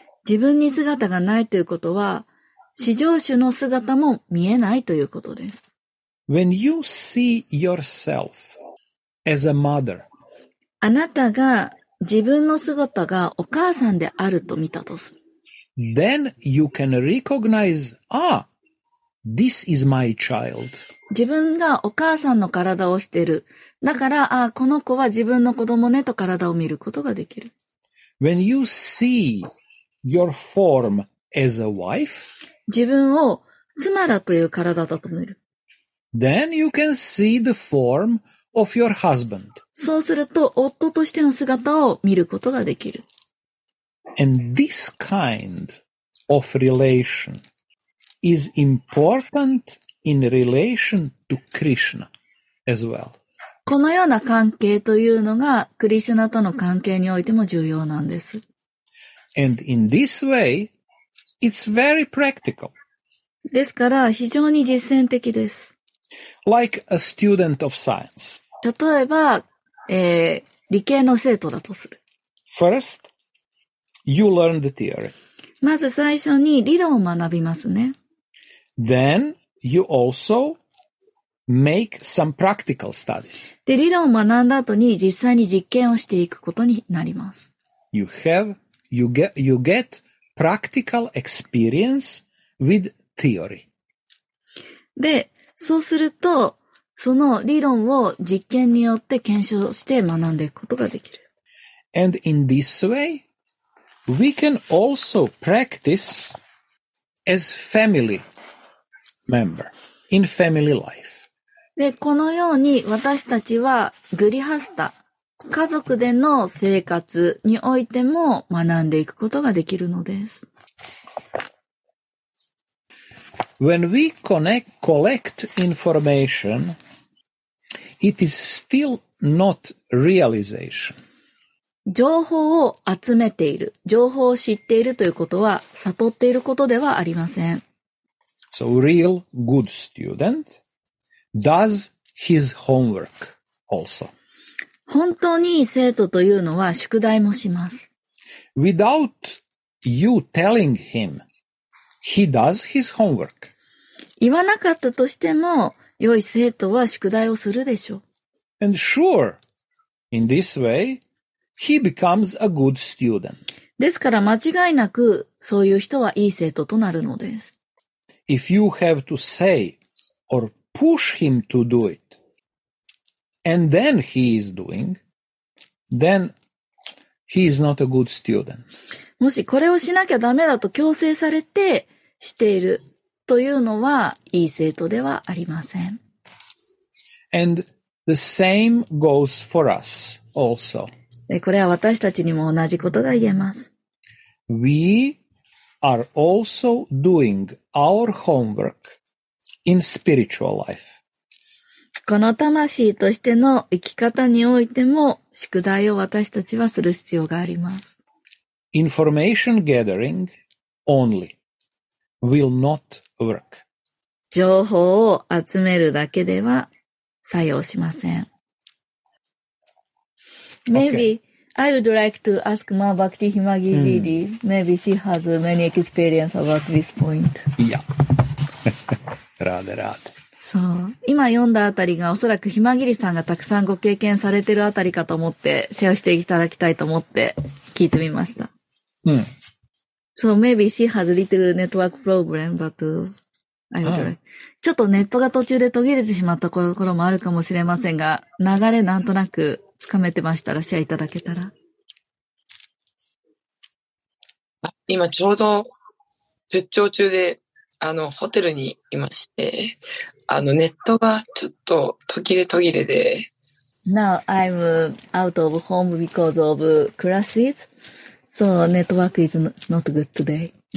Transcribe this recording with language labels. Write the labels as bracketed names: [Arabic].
[Japanese] 自分に姿がないということは、至上主の姿も見えないということです。 [English] When you see yourself as a mother, [Japanese] あなたが自分の姿がお母さんであると見たとする。 [English] Then you can recognize, This is my child. [Japanese] 自分がお母さんの体をしている。だから、この子は自分の子供ねと体を見ることができる。 [English] When you see your form as a wife, [Japanese] 自分を妻だという体だと見る。 [English] Then you can see the form of your husband. [Japanese] そうすると夫としての姿を見ることができる。 [English] And this kind of relation is important in relation to Krishna as well. [Japanese] このような関係というのがクリシュナとの関係においても重要なんです。 [English] And in this way, it's very practical. [Japanese] ですから非常に実践的です。 [English] Like a student of science. [Japanese] 例えば、理系の生徒だとする。 [English] First, you learn the theory. [Japanese] まず最初に理論を学びますね。 [English] Then, you also make some practical studies. [Japanese] で、理論を学んだ後に実際に実験をしていくことになります。 [English] You get practical experience with theory. [Japanese] で、そうすると、その理論を実験によって検証して学んでいくことができる。 [English] And in this way, we can also practice as family member in family life. [Japanese] で、このように私たちはグリハスタ、家族での生活においても学んでいくことができるのです。 [English] When we collect information, it is still not realization. [Japanese] 情報を集めている、情報を知っているということは悟っていることではありません。 [English] So real good student does his homework also. [Japanese] 本当にいい生徒というのは宿題もします。 [English] Without you telling him, he does his homework. [Japanese] 言わなかったとしても、良い生徒は宿題をするでしょう。 [English] And sure, in this way, he becomes a good student. [Japanese] ですから間違いなく、そういう人はいい生徒となるのです。 [English] If you have to say or push him to do it, and then he is doing, then he is not a good student. [Japanese] もしこれをしなきゃダメだと強制されてしているというのはいい生徒ではありません。 [English] And the same goes for us also. [Japanese] これは私たちにも同じことが言えます。 [English] We are also doing our homework in spiritual life. [Japanese] この魂としての生き方においても宿題を私たちはする必要があります。 [English] Information gathering only will not work. [Japanese] 情報を集めるだけでは作用しません。 [English] Maybe. Okay. I would like to ask Ma Bhakti Himagi Didi. Maybe she has many experience about this point. Yeah. Rade, rade. [Japanese] So, 今読んだあたりがおそらくひまぎりさんがたくさんご経験されてるあたりかと思ってシェアしていただきたいと思って聞いてみました。 [English] So, maybe she has little network problem, but I would like. [Japanese] ちょっとネットが途中で途切れてしまったところもあるかもしれませんが、流れなんとなくつかめてましたらシェアいただけたら。今ちょうど出張中でホテルにいまして、ネットがちょっと途切れ途切れで。 [English] Now I'm out of home because of classes, so network is not good today.